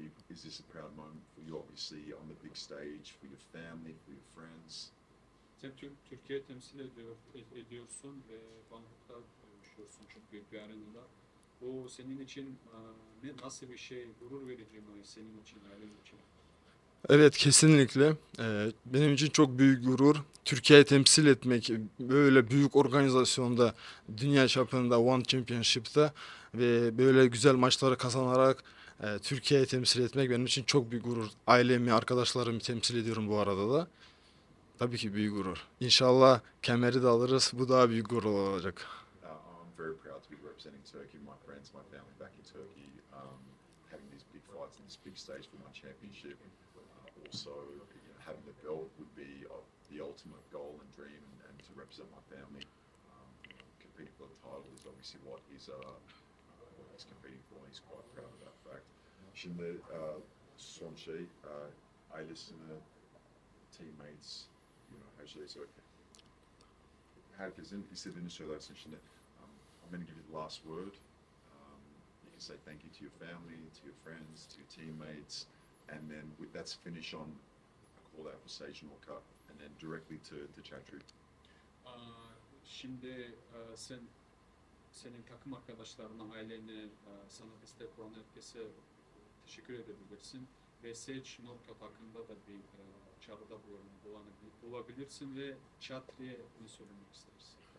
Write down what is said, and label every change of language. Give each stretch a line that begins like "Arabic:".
English: Is this a proud moment for you, obviously, on the big stage, for your family, for your friends?
Turkish: Sen Türkiye'yi temsil ediyorsun ve Bangkok'ta dövüşüyorsun çok büyük bir arenada. Bu senin için nasıl bir şey, gurur verici mi senin için, ailen için? Evet, kesinlikle. Benim için çok büyük gurur. Türkiye'yi temsil etmek böyle büyük organizasyonda, dünya çapında, One Championship'ta ve böyle güzel maçları kazanarak Türkiye'yi temsil etmek benim için çok büyük gurur. Ailemi, arkadaşlarımı temsil ediyorum bu arada da. Tabii ki büyük gurur. İnşallah kemeri de alırız. Bu daha büyük gurur olacak.
English: I'm very proud to be representing Turkey, my friends, my family back in Turkey. Having these big fights and this big stage for my championship. Also, you know, having the belt would be the ultimate goal and dream and to represent my family. Competing for the title is obviously what is he's competing for, he's quite proud of that fact.
Turkish: Şimdi son şey, ailesine,
English: teammates, you know,
Turkish: her şeyse, herkesin istediğini söylersin şimdi.
English: I'm going to give you the last word. You can say thank you to your family, to your friends, to your teammates, and then that's finish on a call out for Sage Norcutt, and then directly to Chatry.
Turkish: Şimdi senin takım arkadaşlarına, ailene, sana destek olan herkese teşekkür edebilirsin. Ve Seç Norcutt hakkında da bir çağrıda bulabilirsin ve Chatry'e ne söylemek istersin?